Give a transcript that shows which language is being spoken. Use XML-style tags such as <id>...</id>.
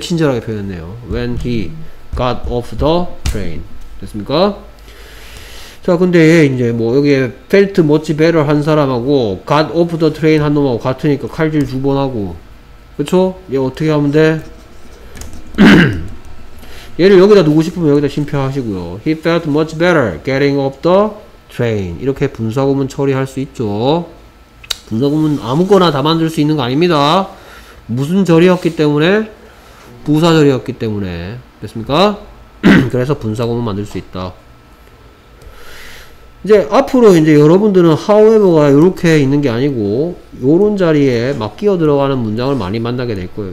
<ko>친절하게 표현했네요.</ko> <en>When he got off the train.</en> <ko>됐습니까? 자 근데 이제 뭐 여기에</ko> <en>felt much better</en> <ko>한 사람하고</ko> <en>got off the train</en> <ko>한 놈하고 같으니까 칼질 두 번 하고 그쵸? 얘 어떻게 하면 돼? 얘를 여기다 두고 싶으면 여기다 심표하시고요.</ko> <en>He felt much better getting off the train.</en> <ko>이렇게 분사구문 처리할 수 있죠. 분사구문 아무거나 다 만들 수 있는 거 아닙니다. 무슨 절이었기 때문에? 부사절이었기 때문에. 됐습니까? 그래서 분사구문 만들 수 있다. 이제 앞으로 이제 여러분들은 however가 이렇게 있는 게 아니고 요런 자리에 막 끼어 들어가는 문장을 많이 만나게 될 거예요.</ko>